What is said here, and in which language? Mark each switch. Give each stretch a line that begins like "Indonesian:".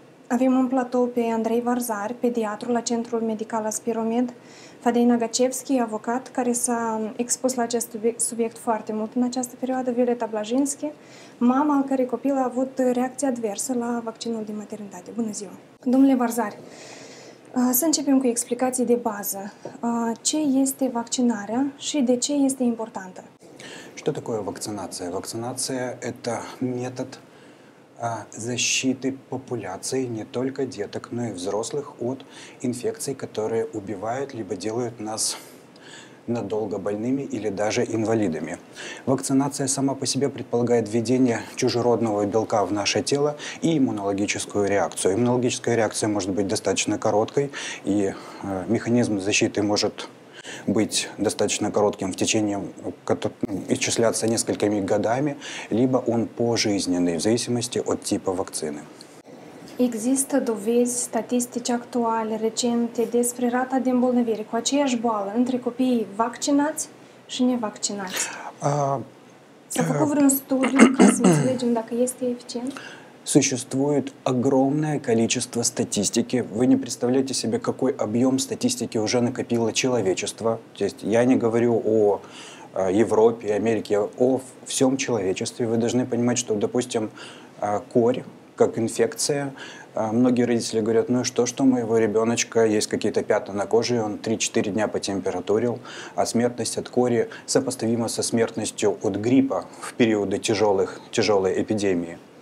Romanian: Avem în platou pe Andrei Varzar, pediatru la Centrul Medical Aspiromed, Fadeina Gacevski, avocat, care s-a expus la acest subiect foarte mult în această perioadă, Violeta Blajinski, mama al cărei copil a avut reacție adversă la vaccinul din maternitate. Bună ziua! Domnule Varzar, să începem cu explicații de bază. Ce este vaccinarea și de ce este importantă?
Russian: Что такое вакцинация? Вакцинация – это метод защиты популяции не только деток, но и взрослых от инфекций, которые убивают либо делают нас надолго больными или даже инвалидами. Вакцинация сама по себе предполагает введение чужеродного белка в наше тело и иммунологическую реакцию. Иммунологическая реакция может быть достаточно короткой, и механизм защиты может быть достаточно коротким, в течение, исчисляться несколькими годами, либо он пожизненный, в зависимости от типа вакцины.
Romanian: Există dovezi, statistici actuale, recente, despre rata de îmbolnăvire cu aceeași boală între copiii vaccinați și nevaccinați? S-a făcut vreun studiu ca să înțelegem dacă este eficient?
Russian: Существует огромное количество статистики. Вы не представляете себе, какой объем статистики уже накопило человечество. То есть я не говорю о Европе, Америке, о всем человечестве. Вы должны понимать, что, допустим, корь, как инфекция, многие родители говорят, ну и что у моего ребеночка есть какие-то пятна на коже, он 3-4 дня потемпературил, а смертность от кори сопоставима со смертностью от гриппа в периоды тяжелой эпидемии.